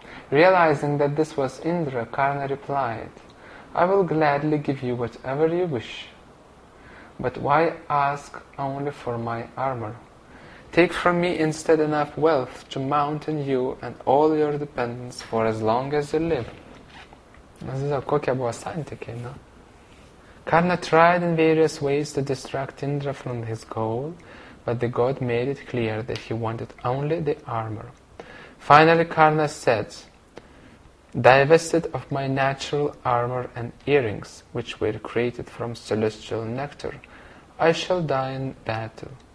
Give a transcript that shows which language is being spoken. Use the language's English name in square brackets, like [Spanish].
[English] Realizing that this was Indra, Karna replied, "I will gladly give you whatever you wish. But why ask only for my armor? Take from me instead enough wealth to mount in you and all your dependents for as long as you live." [Lithuanian] Įsivaizduoju, kokia buvo santykiai, nu. [English] Karna tried in various ways to distract Indra from his goal, but the god made it clear that he wanted only the armor. Finally, Karna said, "Divested of my natural armor and earrings, which were created from celestial nectar, I shall die in battle.